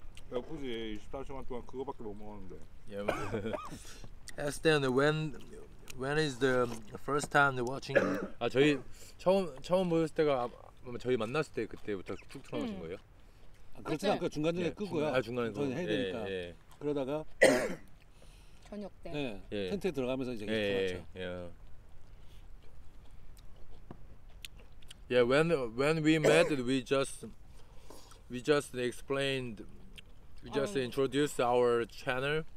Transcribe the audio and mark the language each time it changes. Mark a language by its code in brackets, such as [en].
[ko] 24시간 동안 그거밖에 못 먹었는데. [en] Yeah. Ask them when is the first time they watching? [ko] 아 저희 처음 보였을 때가 저희 만났을 때 그때부터 쭉 틀어놓으신 거예요? 아, 그렇지 않고 중간중에 예, 끄고요. 아 중간에 저희 해야 되니까. 예, 예. 그러다가 저녁 때. 네. 예. 텐트에 들어가면서 이제 예, 들어왔죠. 예. [en] Yeah, when we met, we just introduced our channel.